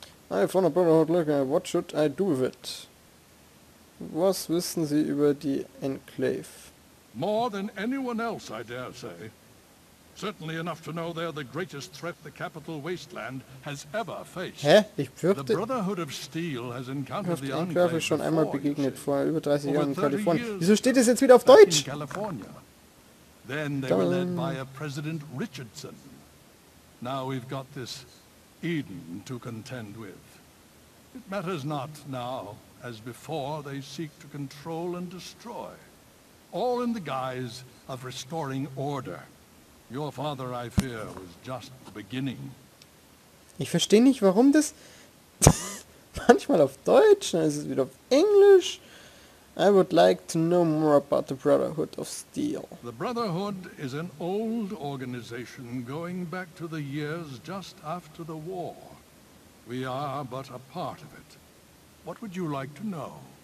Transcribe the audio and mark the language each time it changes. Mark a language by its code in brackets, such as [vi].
[en] I found a Brotherhood Lurker. What should I do with it? [de] Was wissen Sie über die Enclave? [en] More than anyone else, I dare say. Certainly enough to know they're the greatest threat the Capital Wasteland has ever faced. [de] Hä? Ich fürchte, [en] the Brotherhood of Steel has encountered the Enclave [de] schon einmal begegnet vor über 30 Jahren in Kalifornien. Wieso steht es jetzt wieder auf Deutsch? [en] Then they were led by a President Richardson. Now we've got this Eden to contend with. It matters not now, as before they seek to control and destroy. All in the guise of restoring order. Your father, I fear, was just the beginning. [de] Ich verstehe nicht, warum das manchmal auf Deutsch, dann ist es wieder auf Englisch. [en] I would like to know more about the Brotherhood of Steel. The Brotherhood is an old organization going back to the years just after the war. We are but a part of it. What would you like to know?